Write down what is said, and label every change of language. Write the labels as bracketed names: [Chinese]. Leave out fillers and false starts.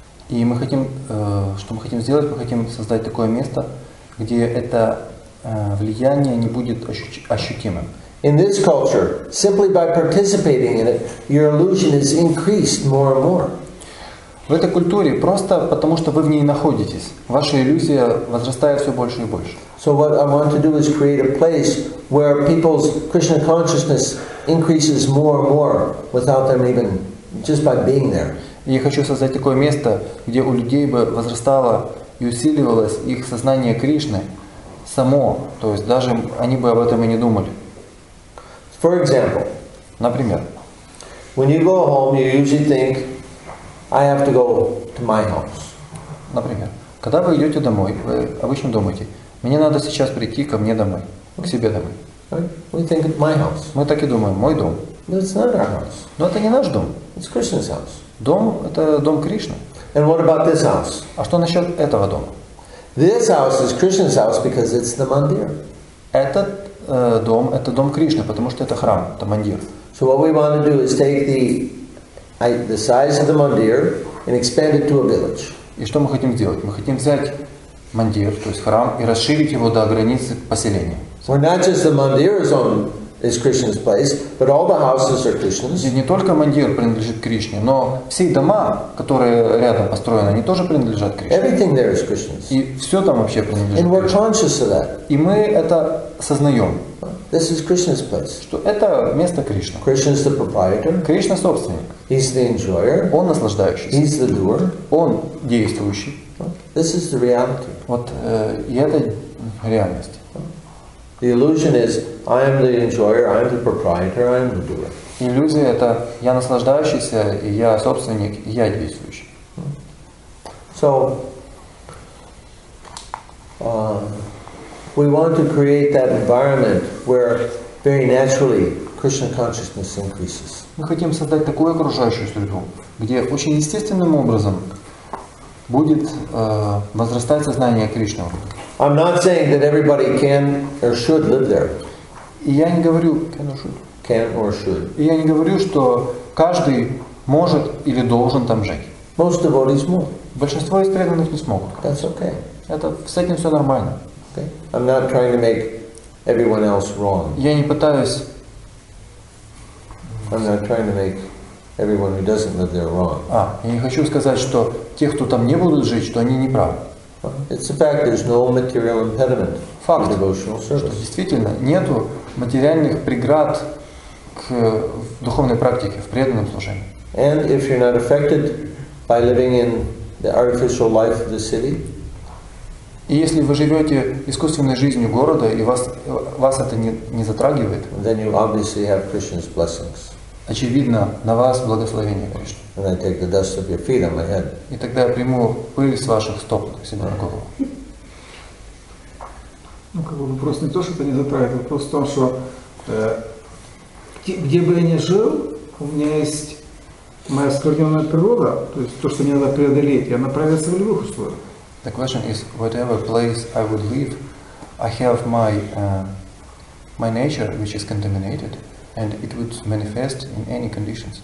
[Russian] И мы хотим, что мы хотим сделать? Мы хотим создать такое место, где это влияние не будет ощутимым. [English] In this culture, simply by participating in it, your illusion is increased more and more. [Russian] В этой культуре просто потому, что вы в ней находитесь, ваша иллюзия возрастает все больше и больше. [English] So what I want to do is create a place where people's Krishna consciousness increases more and more without them even just by being there. [Russian] Я хочу создать такое место, где у людей бы возрастало и усиливалось их сознание Кришны само, то есть даже они бы об этом и не думали. [English] For example, [Russian] например, [English] when you go home, you usually think I have to go to my house. [Russian] Например, когда вы идете домой, вы обычно думаете, мне надо сейчас прийти ко мне домой, к себе домой. [English] We think it's my house. [Russian] Мы так и думаем, мой дом. [English] But it's not our house. [Russian] Но это не наш дом. [English] It's Krishna's house. [Russian] Дом – это дом Кришны. [English] And what about this house? [Russian] А что насчет этого дома? [English] This house is Krishna's house because it's the mandir. [Russian] Этот дом – это дом Кришны, потому что это храм, это мандир. [English] So what we want to do is take the size of the mandir and expand it to a village. [Russian] И что мы хотим сделать? Мы хотим взять мандир, то есть храм, и расширить его до границы поселения. [English] So not just the mandir is on is Krishna's place, but all the houses are Krishna's. [Russian] И не только мандир принадлежит Кришне, но все дома, которые рядом построены, они тоже принадлежат Кришне. [English] Everything there is Krishna's. [Russian] И все там вообще принадлежит. [English] And we're conscious of that. [Russian] И мы это сознаем. [English] This is Krishna's place. [Russian] Что это место Кришны. [English] Krishna is the proprietor. [Russian] Кришна собственник. [English] He's the enjoyer. [Russian] Он наслаждающийся. [English] He's the doer. [Russian] Он действующий. [English] This is the reality. [Russian] Вот и это реальность. [English] The illusion is I am the enjoyer, I am the proprietor, I am the doer. [Russian] Иллюзия это я наслаждающийся, я собственник, я действующий. [English] So we want to create that environment where very naturally Krishna consciousness increases. [Russian] Мы хотим создать такую окружающую среду, где очень естественным образом будет возрастать сознание Кришны. [English] I'm not saying that everybody can or should live there. [Russian] Я не говорю, что каждый может или должен там жить. [English] Most devotees won't. [Russian] Большинство из преданных не смогут. [English] That's okay. [Russian] Это с этим все нормально. [English] Okay. I'm not trying to make everyone else wrong. [Russian] Я не пытаюсь. [English] I'm not trying to make everyone who doesn't live there wrong. [Russian] А, я не хочу сказать, что те, кто там не будут жить, что они не правы. [English] It's a fact. There's no material impediment. [Russian] Факт, [English] to devotional service. [Russian] Что действительно нету материальных преград к духовной практике в преданном служении. [English] And if you're not affected by living in the artificial life of the city. [Russian] И если вы живете искусственной жизнью города и вас это не затрагивает. [English] Then you obviously have Krishna's blessings. [Russian] Очевидно, на вас благословение Кришны. [English] And I take the dust of your feet on my head. [Russian] И тогда я приму пыль с ваших стоп к себе на голову. Ну, как бы вопрос не то, что это не затрагивает, вопрос в том, что где бы я ни жил, у меня есть моя оскверненная природа, то есть то, что мне надо преодолеть, и она проявится в любых условиях. [English] The question is, whatever place I would live, I have my my nature, which is contaminated, and it would manifest in any conditions.